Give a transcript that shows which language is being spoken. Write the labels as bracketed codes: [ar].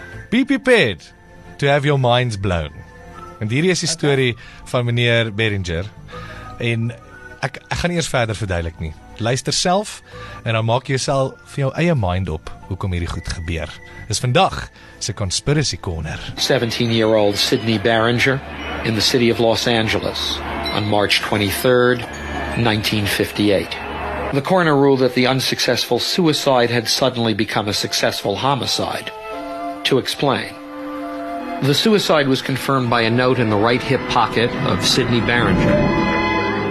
[en] Be prepared to have your minds blown. [af] En hierdie is die story van meneer Beringer. En ek gaan eers verder verduidelik nie. Luister self en dan maak jy jouself vir jou eie mind op hoekom hierdie goed gebeur. Dis vandag se conspiracy corner. [en] 17-year-old Sydney Beringer in the city of Los Angeles on March 23rd 1958. The coroner ruled that the unsuccessful suicide had suddenly become a successful homicide. To explain, the suicide was confirmed by a note in the right hip pocket of Sydney Beringer.